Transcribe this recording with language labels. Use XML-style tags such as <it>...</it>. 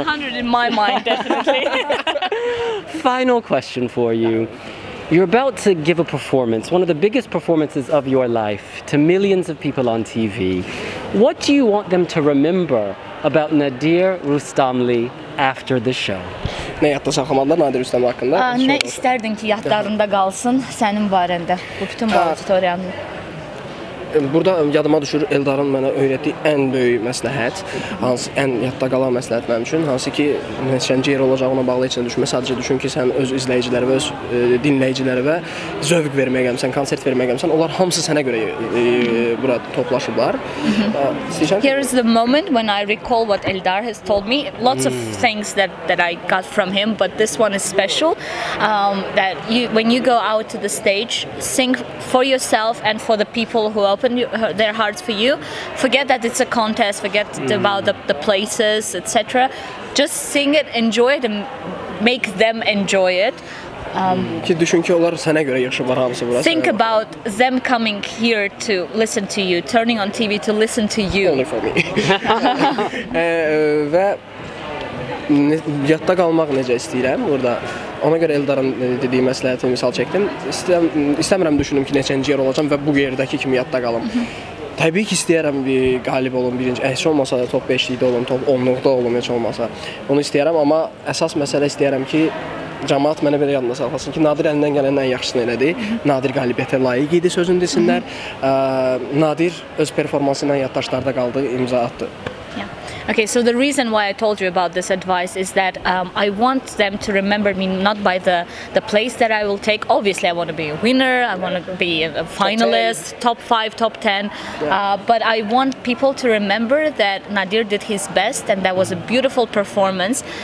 <en>100 in my mind, definitely. Final question for you. You're about to give a performance, one of the biggest performances of your life, to millions of people on TV. What do you want them to remember about Nadir Rustamli after the show?</en> <az>Nə yadda saxlamalılar Nadir Rustamli haqqında? Nə istərdin ki yadlarında qalsın sənin barəndə bu bütün bu auditoriyanın? Burada yadıma düşür Eldarın mənə öyrətdiyi ən böyük məsləhət, hansı ən yadda qalan məsləhət mənim üçün, hansı ki neçəncə yer olacağına bağlı heç nə düşünmə, sadəcə düşün ki sən öz izləyicilərə və öz dinləyicilərə və zövq verməyə gəlmişsən, konsert verməyə gəlmişsən, onlar hamısı sənə görə bura toplaşıblar.</az> <en>Here is the moment when I recall what Eldar has told me. Lots of things that I got from him, but this one is special. That you, when you go out to the stage, sing for yourself and for the people who open their hearts for you. Forget that it's a contest, forget about the places, etc. Just sing it, enjoy it, and make them enjoy it. Think about them coming here to listen to you, turning on TV to listen to you. Only for me.</en> <az>Yadda qalmaq necə istəyirəm burada? Ona görə Eldarın dediyi məsləhəti misal çəkdim. İstəmirəm düşündüm ki, neçənci yer olacam və bu yerdəki kimi yadda qalım. Təbii ki, istəyərəm bir qalib olum, birinci, heç olmasa da top 5-likdə olum, top 10-luqda olum, heç olmasa. Onu istəyərəm, amma əsas məsələ istəyərəm ki, cəmaat mənə belə yadına salxasın ki, Nadir əlindən gələn ən yaxşısını elədi, Nadir qalibiyyətə layiq idi sözünü desinlər, Nadir öz performansı ilə yaddaşlarda qaldı, imza attı.</az> <en>Okay, so the reason why I told you about this advice is that I want them to remember me not by the place that I will take. Obviously, I want to be a winner, I want to be a finalist, top 5, top 10. But I want people to remember that Nadir did his best and that was a beautiful performance.</en>